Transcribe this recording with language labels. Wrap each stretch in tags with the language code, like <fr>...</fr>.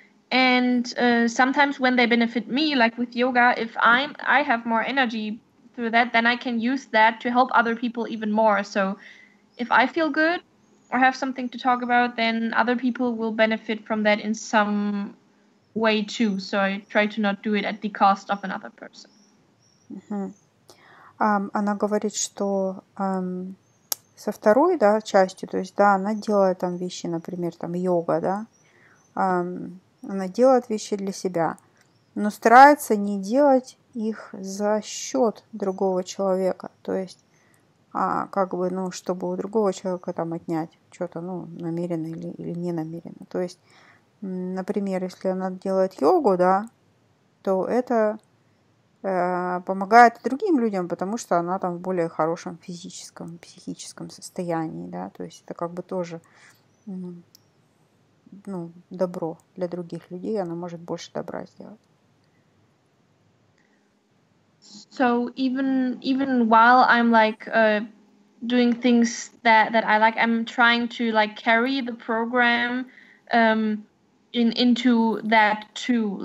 <en>And sometimes when they benefit me, like with yoga, if I have more energy through that, then I can use that to help other people even more. So if I feel good or have something to talk about, then other people will benefit from that in some way too. So I try to not do it at the cost of another person.</en> <ru>Она говорит, что со второй, да, частью, то есть, да, она делает там вещи, например, там йога, да, она делает вещи для себя, но старается не делать их за счет другого человека, то есть, как бы, ну, чтобы у другого человека там отнять что-то, ну, намеренно или не намеренно. То есть, например, если она делает йогу, да, то это помогает другим людям, потому что она там в более хорошем физическом, психическом состоянии, да, то есть это как бы тоже, ну, добро для других людей, она может больше добра сделать.</ru> <en>So even while I'm like doing things that I like, I'm trying to like carry the program into that too.</en>